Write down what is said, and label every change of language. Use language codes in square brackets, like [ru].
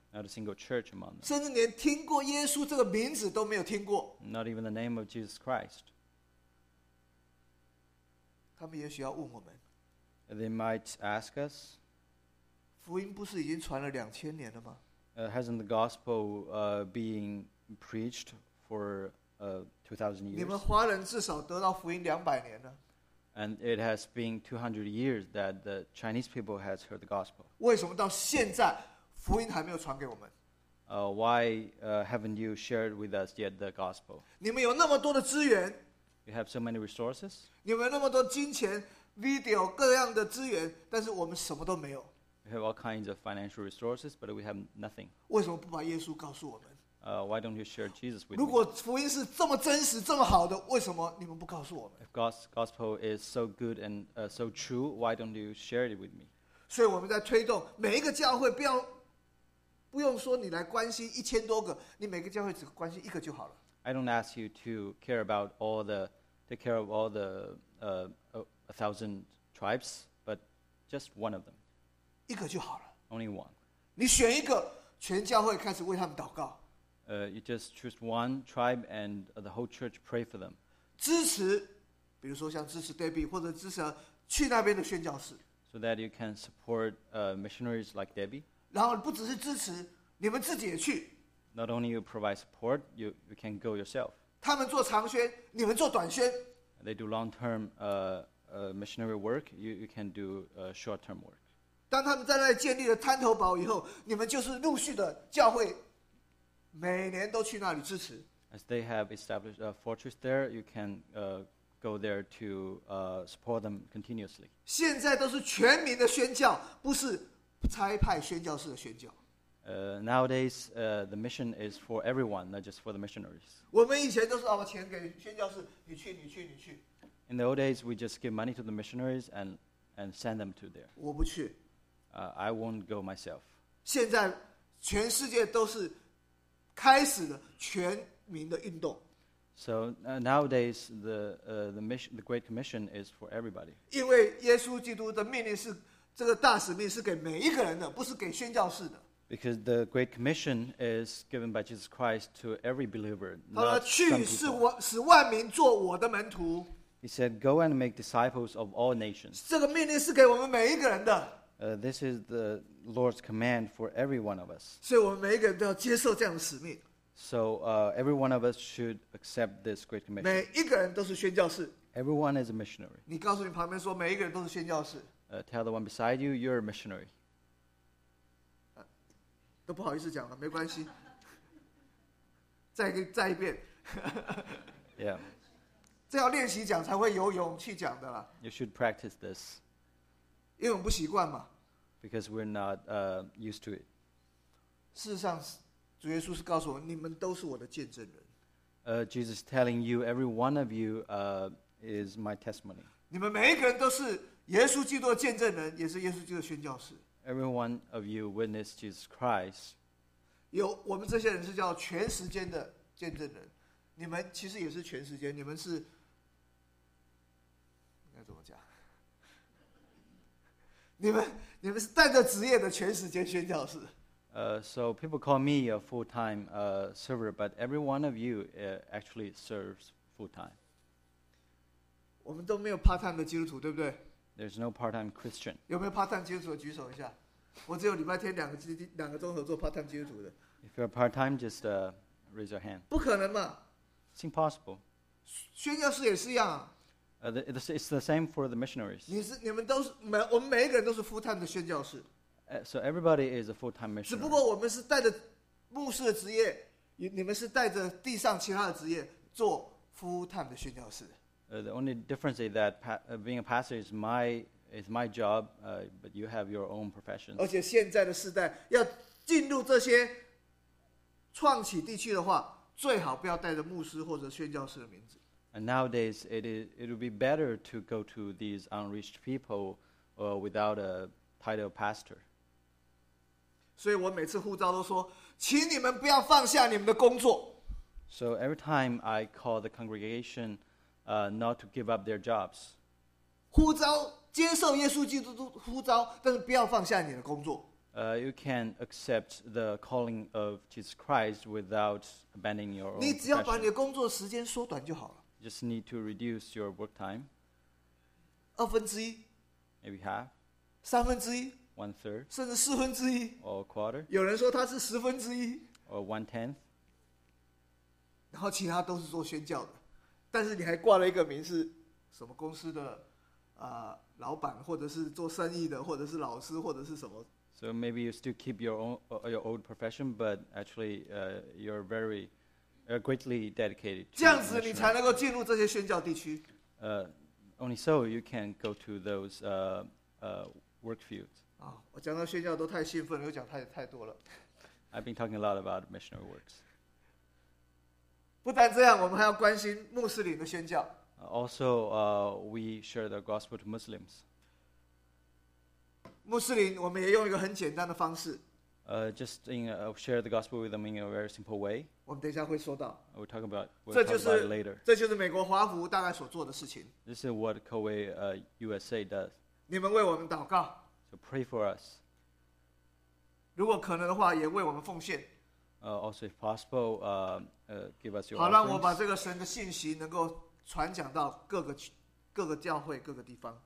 [en] Not a single church among them. [zh] 甚至连听过耶稣这个名字都没有听过。 [en] Not even the name of Jesus Christ. [zh] 他们也许要问我们。 [en] They might ask us. [zh] 福音不是已经传了两千年了吗？ [en] Hasn't the gospel being preached for 2,000 years? [zh] 你们华人至少得到福音两百年了。 [en] And it has been 200 years that the Chinese people has heard the gospel. [zh] 为什么到现在福音还没有传给我们？ [en] Why haven't you shared with us yet the gospel? [zh] 你们有那么多的资源。 [en] You have so many resources. [zh] 你们那么多金钱 ，video 各样的资源，但是我们什么都没有。 [en] We have all kinds of financial resources, but we have nothing. [zh] 为什么不把耶稣告诉我们？ [en] Why don't you share Jesus with us? [zh] 如果福音是这么真实、这么好的，为什么你们不告诉我们 [en] ？If gospel is so good and so true, why don't you share it with me? [zh] 所以我们在推动每一个教会，不用说你来关心一千多个，你每个教会只关心一个就好了。 [en] I don't ask you to care about take care of all the 1,000 tribes, but just one of them. [zh] 一个就好了。 [en] Only one. [zh] 你选一个，全教会开始为他们祷告。 [en] You just choose one tribe and the whole church pray for them. [zh] 支持，比如说像支持 Debbie 或者支持去那边的宣教士。 [en] So that you can support missionaries like Debbie. [zh] 然后不只是支持，你们自己也去。 [en] Not only you provide support, you can go yourself. [zh] 他们做长宣，你们做短宣。 [en] They do long-term missionary work. You can do short-term work. [zh] 当他们在那里建立了滩头堡以后，你们就是陆续的教会，每年都去那里支持。 [en] As they have established a fortress there, you can go there to support them continuously. [zh] 现在都是全民的宣教，不是差派宣教士的宣教。 [en] Nowadays, the mission is for everyone, not just for the missionaries. [zh] 我们以前都是把钱给宣教士，你去，你去，你去。 [en] In the old days, we just give money to the missionaries and send them to there. [zh] 我不去。 [en] I won't go myself. [zh] 现在全世界都是开始了全民的运动。 [en] So nowadays, the Great Commission is for everybody. [zh] 因为耶稣基督的命令是这个大使命是给每一个人的，不是给宣教士的。 [en] Because the Great Commission is given by Jesus Christ to every believer, not some people. [zh] 去使万民做我的门徒。 [en] He said, "Go and make disciples of all nations." [zh] 这个命令是给我们每一个人的。 [en] This is the Lord's command for every one of us. [zh] 所以我们每一个人都要接受这样的使命。 [en] So every one of us should accept this Great Commission. [zh] 每一个人都是宣教士。 [en] Everyone is a missionary. [zh] 你告诉你旁边说，每一个人都是宣教士。 [en] Tell the one beside you, you're a missionary. [zh] 都不好意思讲了，没关系。再一遍。 [en] Yeah. [zh] 这要练习讲才会有勇气讲的啦。 [en] You should practice this. [zh] 因为我们不习惯嘛。 [en] Because we're not used to it. [zh] 事实上，主耶稣是告诉我们，你们都是我的见证人。 [en] Jesus is telling you, every one of you is my testimony. [zh] 你们每一个人都是耶稣基督的见证人，也是耶稣基督的宣教士。 [en] Every one of you witness Jesus Christ. [zh] 有我们这些人是叫全时间的见证人，你们其实也是全时间，你们是应该怎么讲？你们是带着职业的全时间宣教士。 [en] So people call me a full-time server, but every one of you actually serves full-time. [zh] 我们都没有 part-time 的基督徒，对不对？ [en] There's no part-time Christian. [zh] 有没有 part-time 基督徒举手一下？我只有礼拜天两个钟头做 part-time 基督徒的。 [en] If you're part-time, just raise your hand. [zh] 不可能嘛。 [en] It's impossible. [zh] 宣教士也是一样啊。 [en] It's the same for the missionaries. [zh] 我们每一个人都是 full-time 的宣教士。 [en] So everybody is a full-time missionary. [zh] 只不过我们是带着牧师的职业，你们是带着地上其他的职业做 full-time 的宣教士。 [en] The only difference is that being a pastor is my job, but you have your own profession. [zh] 而且现在的世代要进入这些创起地区的话，最好不要带着牧师或者宣教士的名字。 [en] And nowadays, it would be better to go to these unreached people, without a title of pastor. [zh] 所以我每次呼召都说，请你们不要放下你们的工作。 [en] So every time I call the congregation, not to give up their jobs. [zh] 呼召接受耶稣基督的呼召，但是不要放下你的工作。 [en] You can accept the calling of Jesus Christ without abandoning your own profession. [zh] 你只要把你的工作时间缩短就好了。 [en] Just need to reduce your work time. [zh] 二分之一 [en] maybe half. [zh] 三分之一 [en] one third. [zh] 甚至四分之一 [en] or a quarter. [zh] 有人说他是十分之一 [en] or one tenth. [zh] 然后其他都是做宣教的，但是你还挂了一个名是什么公司的老板，或者是做生意的，或者是老师，或者是什么。 [en] So maybe you still keep your old profession, but actually, you're very greatly dedicated. [zh] 这样子你才能够进入这些宣教地区。 [en] Only so you can go to those work fields. [zh] 啊，我讲到宣教都太兴奋了，又讲太多了。 [en] I've been talking a lot about missionary works. [zh] 不但这样，我们还要关心穆斯林的宣教。 [en] Also, we share the gospel to Muslims. [zh] 穆斯林，我们也用一个很简单的方式。 [en] Share the gospel with them in a very simple way. [zh] 我们等一下会说到。 [en] We'll talk about it later. [zh] 这就是美国华福大概所做的事情。 [en] This is what Coway USA does. [zh] 你们为我们祷告。 [en] So pray for us. [zh] 如果可能的话，也为我们奉献。 [en] Also, if possible, give us your. [zh] 好，让我把这个神的信息能够传讲到各个教会、各个地方。